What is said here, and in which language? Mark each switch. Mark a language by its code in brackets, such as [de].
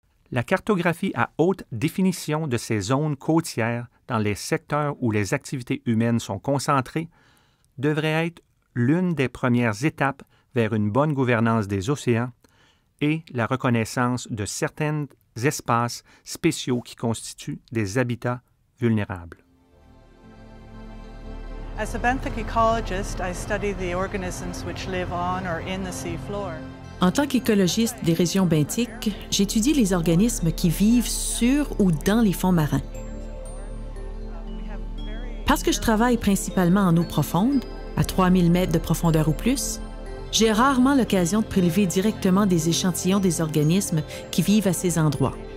[fr] La cartographie à haute définition de ces zones côtières dans les secteurs où les activités humaines sont concentrées devrait être l'une des premières étapes vers une bonne gouvernance des océans et la reconnaissance de certains espaces spéciaux qui constituent des habitats vulnérables. [en] As a benthic ecologist, I study the organisms which live on or in the seafloor. [fr] En tant qu'écologiste des régions benthiques, j'étudie les organismes qui vivent sur ou dans les fonds marins. Parce que je travaille principalement en eau profonde, à 3000 mètres de profondeur ou plus, j'ai rarement l'occasion de prélever directement des échantillons des organismes qui vivent à ces endroits.